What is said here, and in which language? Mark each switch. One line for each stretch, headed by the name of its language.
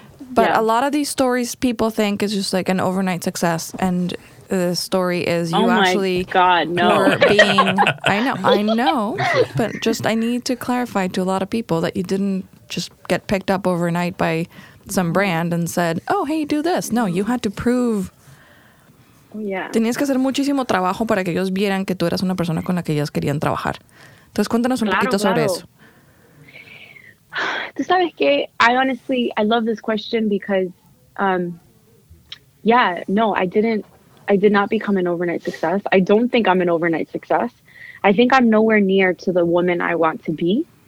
English: But yeah. A lot of these stories people think is just like an overnight success. And the story is you actually... Oh, my God, no. Being, I know. But just I need to clarify to a lot of people that you didn't just get picked up overnight by... some brand and said, oh, hey, do this. No, you had to prove. Yeah.
Spanish: Tenías que hacer muchísimo trabajo para que ellos vieran que tú eras una persona con la que ellas querían trabajar. Entonces, cuéntanos un poquito sobre eso. Tú sabes que,
English: I love this question because, I did not become an overnight success. I don't think I'm an overnight success. I think I'm nowhere near to the woman I want to be.